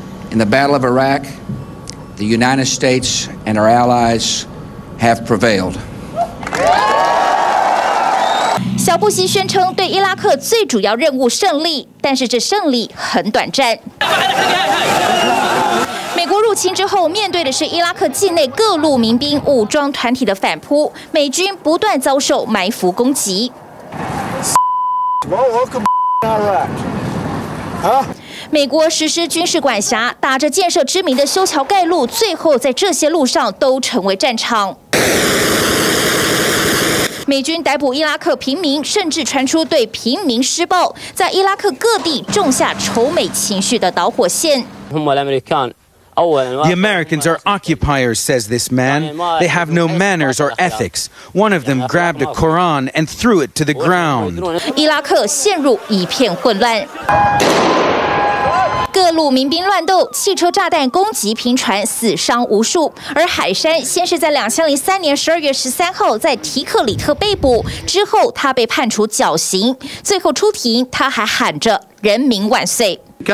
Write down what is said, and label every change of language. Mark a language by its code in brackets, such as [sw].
[en] In the Battle of Iraq, the United States and our allies have prevailed. [zh] 小布希宣称对伊拉克最主要任务胜利，但是这胜利很短暂。美国入侵之后，面对的是伊拉克境内各路民兵武装团体的反扑，美军不断遭受埋伏攻击。美国实施军事管辖，打着建设之名的修桥盖路，最后在这些路上都成为战场。美军逮捕伊拉克平民，甚至传出对平民施暴，在伊拉克各地种下仇美情绪的导火线。 [en] The Americans are occupiers, says this man. They have no manners or ethics. One of them grabbed a Quran and threw it to the ground. [zh] 伊拉克陷入一片混乱。各路民兵乱斗，汽车炸弹攻击频传，死伤无数。而海山先是在2003年12月13号在提克里特被捕，之后他被判处绞刑，最后出庭他还喊着“人民万岁”。